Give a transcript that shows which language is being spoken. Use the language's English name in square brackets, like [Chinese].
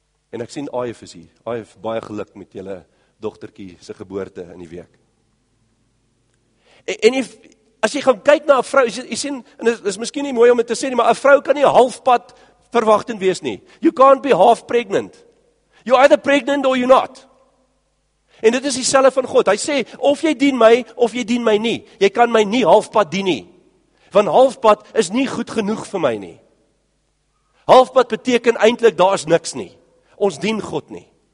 [Afrikaans] En ek sien Aif is hier. Aif, baie geluk met julle dogtertjie se geboorte in die week. En as jy gaan kyk na 'n vrou, jy sien, en dit is miskien nie mooi om dit te sê nie, maar 'n vrou kan nie halfpad verwagtend wees nie. [English] You can't be half pregnant. You're either pregnant or you're not. [Afrikaans] En dit is dieselfde van God. Hy sê, of jy dien my, of jy dien my nie. Jy kan my nie halfpad dien nie. Want halfpad is nie goed genoeg vir my nie. Halfpad beteken eintlik daar is niks nie. Ons dien God nie.